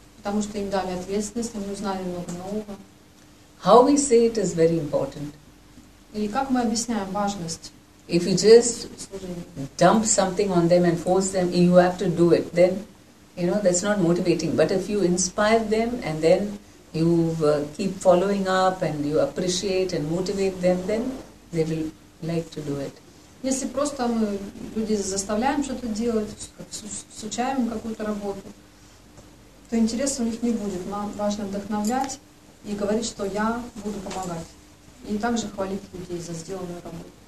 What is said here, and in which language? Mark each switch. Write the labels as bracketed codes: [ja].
[ru] Потому что им дали ответственность, они узнали много нового. [en] How we say it is very important. [ru] Или как мы объясняем важность. [en] If you just dump something on them and force them, you have to do it, then, that's not motivating. But if you inspire them and then you keep following up and you appreciate and motivate them, then they will like to do it. [ru] Если просто мы люди заставляем что-то делать, сучаем какую-то работу, то интереса у них не будет. Нам важно вдохновлять и говорить, что я буду помогать. И также хвалить людей за сделанную работу.